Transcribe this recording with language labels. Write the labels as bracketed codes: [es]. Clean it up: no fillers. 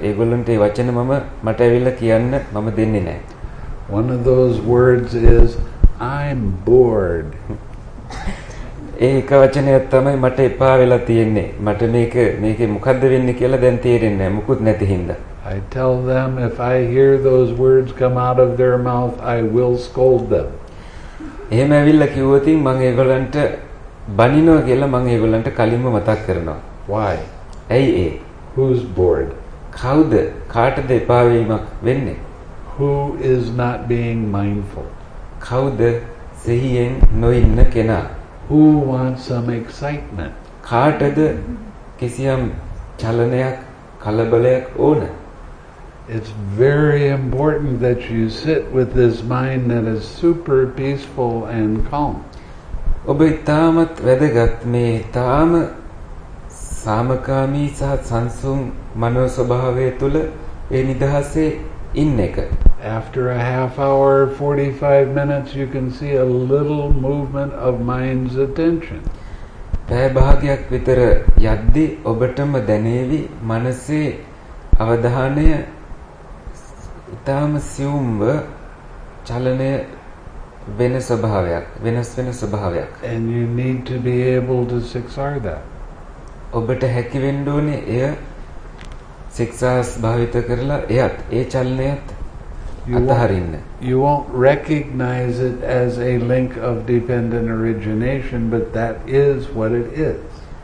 [si] ඒගොල්ලන්ට ඒ වචන මට ඇවිල්ලා කියන්න මම දෙන්නේ නැහැ. [en] One of those words is I'm bored. [si] ඒක වචනයක් තමයි මට එපා වෙලා තියෙන්නේ. මට මේකේ මොකද්ද වෙන්නේ කියලා දැන් තේරෙන්නේ නැහැ. මුකුත් නැති හින්දා. [en] I tell them if I hear those words come out of their mouth, I will scold them. [si] එහෙම ඇවිල්ලා කිව්වොත් මම ඒගොල්ලන්ට බනිනවා කියලා මම ඒගොල්ලන්ට කලින්ම මතක් කරනවා. [en] Why? [si] ඇයි ඒ? [en] Who's bored? [si] කවුද කාටද එපා වීමක් වෙන්නේ? [en] Who is not being mindful? [si] කවුද සිහියෙන් නොඉන්න කෙනා? [en] Who wants some excitement? [si] කාටද කිසියම් චලනයක් කලබලයක් ඕන? [en] It's very important that you sit with this mind that is super peaceful and calm. [si] ඔබ ඉතාමත් වැදගත් මේ ඉතාම සාමකාමී සහ සංසුන් මනෝ ස්වභාවය තුළ ඒ නිදහසේ ඉන්න එක. [en] After a half hour, 45 minutes, you can see a little movement of mind's attention. [si] පැය භාගයක් විතර යද්දී ඔබටම දැනේවි මනසේ අවධානය ඉතාම සියුම්ව චලනය වෙන ස්වභාවයක් වෙනස් වෙන ස්වභාවයක් [en] and you need to be able to sixar that [si] ඔබට හැකි වෙන්න ඕනේ එය සිකසාස් භාවිත කරලා එයත් ඒ චලනයත් අතහරින්න [en] you won't recognize it as a link of dependent origination but that is what it is